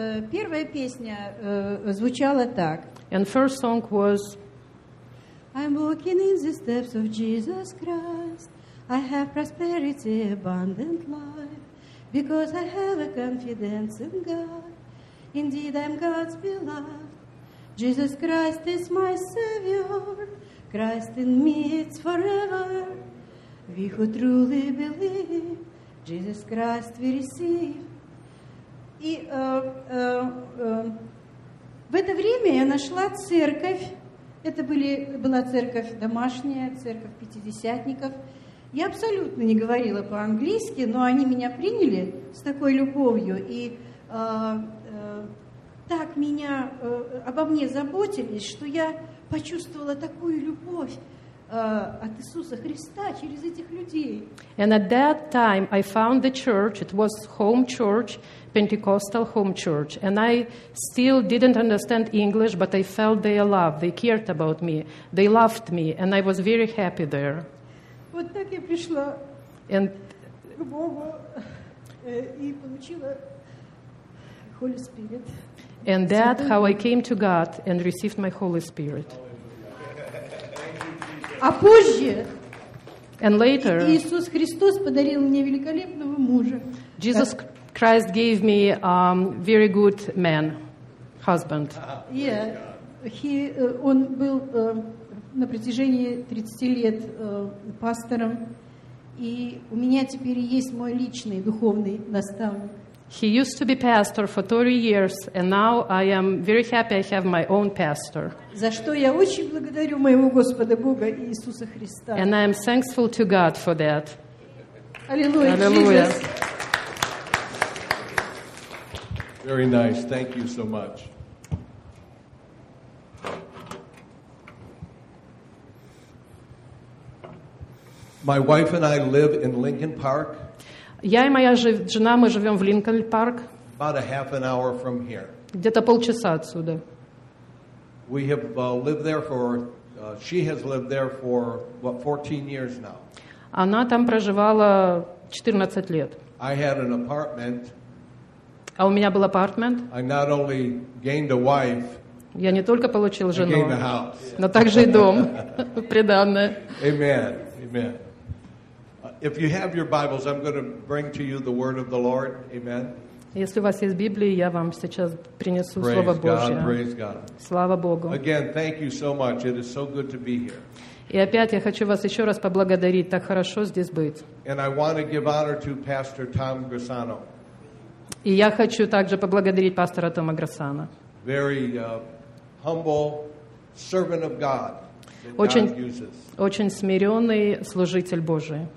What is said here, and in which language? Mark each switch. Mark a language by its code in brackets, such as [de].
[ru] Первая песня звучала так. [en] And first song was I'm walking in the steps of Jesus Christ. I have prosperity, abundant life, because I have a confidence in God. Indeed, I'm God's beloved. Jesus Christ is my Savior. Christ in me is forever. We who truly believe, Jesus Christ we receive. [ru] И в это время я нашла церковь. Это была церковь домашняя, церковь пятидесятников. Я абсолютно не говорила по-английски, но они меня приняли с такой любовью и так меня обо мне заботились, что я почувствовала такую любовь от Иисуса Христа через этих людей. [en] And at that time I found the church. It was home church, Pentecostal home church, and I still didn't understand English, but I felt their love. They cared about me. They loved me, and I was very happy there. [ru] Вот так я пришла к Богу и получила Holy Spirit. [en] And that how I came to God and received my Holy Spirit. [ru] А позже [en] and later, [ru] Иисус Христос подарил мне великолепного мужа. [en] Jesus Christ gave me a very good man, husband. [ru] Yeah, он был на протяжении 30 лет пастором, и у меня теперь есть мой личный духовный наставник. [en] He used to be pastor for 30 years, and now I am very happy I have my own pastor. [ru] За что я очень благодарю моего Господа Бога Иисуса Христа. [en] And I am thankful to God for that. [ru] Аллилуйя. [en] Very nice. Thank you so much. My wife and I live in Lincoln Park. [ru] Я и моя жена, мы живем в Линкольн-парк. [en] About a half an hour from here. [ru] Где-то полчаса отсюда. [en] We have lived there for, she has lived there for, what, 14 years now. [ru] Она там проживала 14 лет. [en] I had an apartment. [ru] А у меня был апартмент. [en] I not only gained a wife. [ru] Я не только получил жену, но также и дом приданное. [en] Amen. Amen. If you have your Bibles, I'm going to bring to you the word of the Lord. Amen. [ru] Если у вас есть Библия, я вам сейчас принесу Слово Божье. [en] Praise God. [ru] Слава Богу. [en] Again, thank you so much. It is so good to be here. [ru] И опять я хочу вас еще раз поблагодарить. Так хорошо здесь быть. [en] And I want to give honor to Pastor Tom Grassano. [ru] И я хочу также поблагодарить пастора Тома Грассано. [en] Very humble servant of God. [ru] Очень смиренный служитель Божий.